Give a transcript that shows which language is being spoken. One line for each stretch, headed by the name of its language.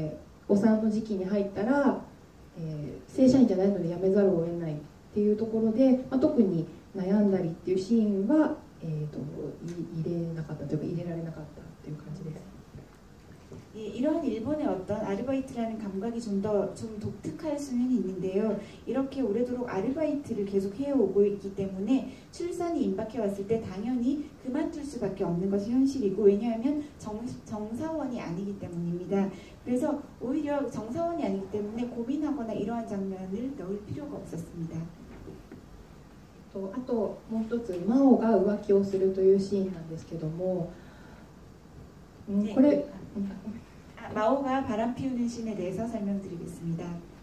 Japanese: ちょっと日本の感覚がもしかしたら独特なのかもしれないんですけども、そういうアルバイトをしてきたので当然こうお産の時期に入ったら 正社員じゃないので辞めざるを得ないっていうところで、特に悩んだりっていうシーンは入れなかったというか入れられなかったっていう感じです。
Korean: 예, 이러한 일본의 어떤 아르바이트라는 감각이 좀 독특할 수는 있는데요. 이렇게 오래도록 아르바이트를 계속 해오고 있기 때문에 출산이 임박해왔을 때 당연히 그만둘 수밖에 없는 것이 현실이고 왜냐하면 정사원이 아니기 때문입니다. 그래서 오히려 정사원이 아니기 때문에 고민하거나 이러한 장면을 넣을 필요가 없었습니다. 또 마오가 우악기를 쓰는
Japanese: シーンなんですけども
Korean: 네. 마오가 바람 피우는 신에 대해서 설명드리겠습니다.